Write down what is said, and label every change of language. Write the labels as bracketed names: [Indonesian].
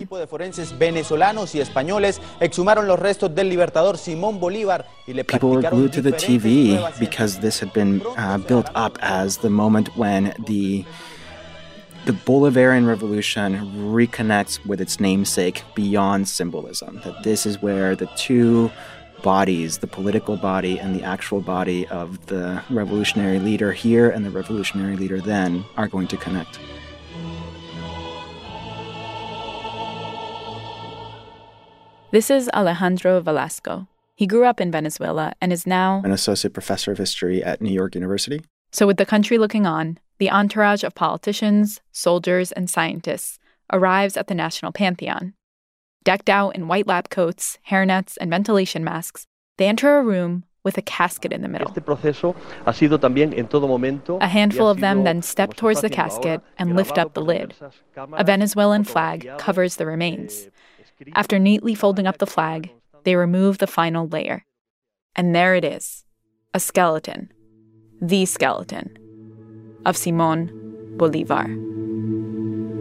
[Spanish] Equipo de forenses venezolanos y españoles exhumaron los restos del libertador Simón Bolívar. [English] People were glued to the TV because this had been built up as the moment when the Bolivarian Revolution reconnects with its namesake beyond symbolism. That this is where the two bodies, the political body and the actual body of the revolutionary leader here and the revolutionary leader then, are going to connect. This is Alejandro Velasco. He grew up in Venezuela and is now an associate professor of history at New York University. So with the country looking on, the entourage of politicians, soldiers, and scientists arrives at the National Pantheon. Decked out in white lab coats, hairnets, and ventilation masks, they enter a room with a casket in the middle. [Spanish] Este proceso ha sido también en todo momento. [English] A handful of them then step towards the casket and lift up the lid. A Venezuelan flag covers the remains. After neatly folding up the flag, they remove the final layer. And there it is, a skeleton, the skeleton of Simón Bolívar.